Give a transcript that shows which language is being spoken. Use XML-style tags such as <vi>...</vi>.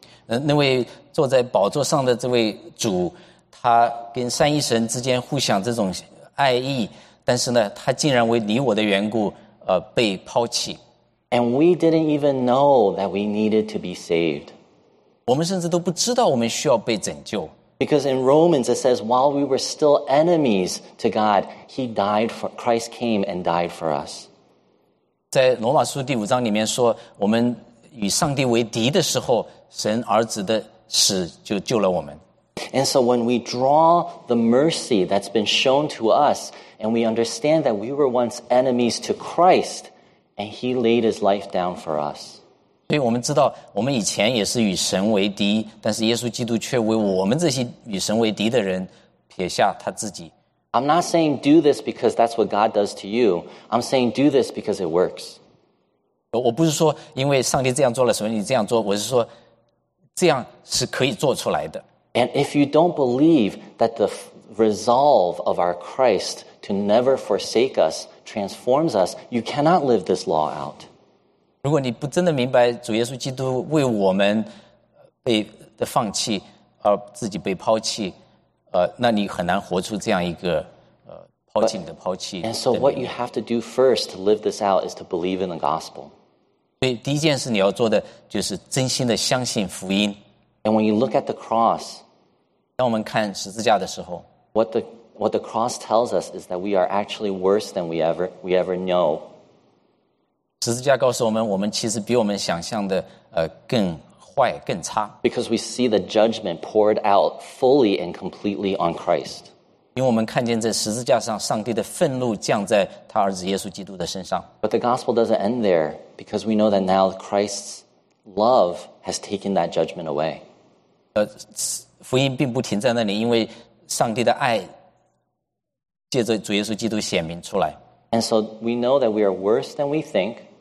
<zh>那位坐在宝座上的这位主，他跟三一神之间互相这种爱意，但是呢，他竟然为你我的缘故，被抛弃。</zh> <en>And we didn't even know that we needed to be saved.</en> <zh>我们甚至都不知道我们需要被拯救。</zh> <en>Because in Romans it says, while we were still enemies to God, Christ came and died for us.</en> <zh>在罗马书第五章里面说，我们与上帝为敌的时候，神儿子的死就救了我们。</zh> <en>And so when we draw the mercy that's been shown to us, and we understand that we were once enemies to Christ,And he laid his life down for us.</en> <zh>所以我们知道，我们以前也是与神为敌，但是耶稣基督却为我们这些与神为敌的人撇下他自己。</zh> <en>I'm not saying do this because that's what God does to you. I'm saying do this because it works.</en> <zh>我不是说因为上帝这样做了，所以你这样做，我是说这样是可以做出来的。</zh> <en>And if you don't believe that the resolve of our Christ to never forsake us. Transforms us. You cannot live this law out.</en> <zh>如果你不真的明白主耶稣基督为我们被的放弃而自己被抛弃，那你很难活出这样一个抛弃你的抛弃。</zh> <en>And so, what you have to do first to live this out is to believe in the gospel.</en> <zh>所以第一件事你要做的就是真心的相信福音。</zh> <en>And when you look at the cross,</en> <zh>当我们看十字架的时候</zh> <en>What the cross tells us is that we are actually worse than we ever know.</en> <zh>十字架告诉我们，我们其实比我们想象的更坏更差。</zh> <en>Because we see the judgment poured out fully and completely on Christ.</en> <zh>因为我们看见在十字架上，上帝的愤怒降在他儿子耶稣基督的身上。</zh> <en>But the gospel doesn't end there because we know that now Christ's love has taken that judgment away.</en> <zh>福音并不停在那里，因为上帝的爱。借着主耶稣基督显明出来。</zh> <en>And so we know that we are worse than we think.</en>